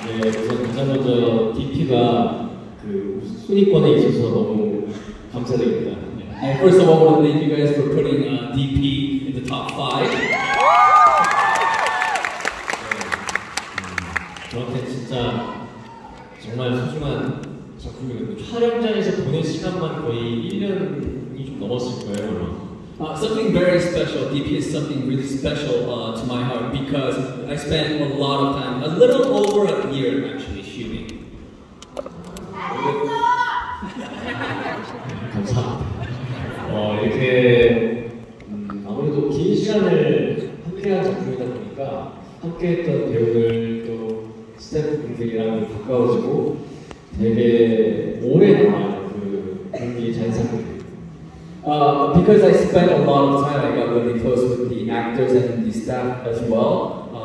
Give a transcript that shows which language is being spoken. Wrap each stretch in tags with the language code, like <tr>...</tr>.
<ko>네, 우선 가장 먼저 DP가 그 순위권에 있어서 너무 감사드립니다.</ko> <en>And first of all, I want to thank you guys for putting DP in the top 5.</en> <ko>저한테 진짜 정말 소중한 작품이거든요. 촬영장에서 보낸 시간만 거의 1년이 좀 넘었을 거예요, 그럼.</ko> <en>Something very special, DP is something really special to my heart because I spent a lot of time, a little over a year actually, shooting.</en> <ko>감사합니다. 이렇게 아무래도 긴 시간을 함께한 작품이다 보니까 함께했던 배우들 또 스태프분들이랑 가까워지고 되게 오랜만 그런 게 자연스럽게</ko> <en>Because I spent a lot of time, I got really close with the actors and the staff as well.</en>